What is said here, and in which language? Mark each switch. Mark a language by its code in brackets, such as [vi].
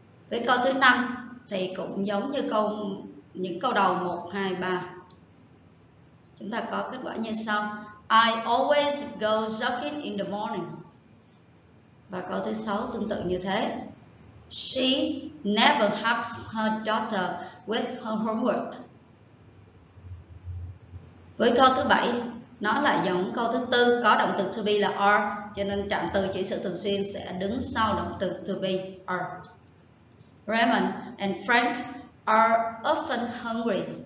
[vi] Với câu thứ năm thì cũng giống như câu những câu đầu 1, 2, 3. Chúng ta có kết quả như sau. [en] I always go jogging in the morning. [vi] Và câu thứ sáu tương tự như thế. [en] She never helps her daughter with her homework. [vi] Với câu thứ bảy, nó lại giống câu thứ tư, có động từ to be là are, cho nên trạng từ chỉ sự thường xuyên sẽ đứng sau động từ to be are. [en] Raymond and Frank are often hungry.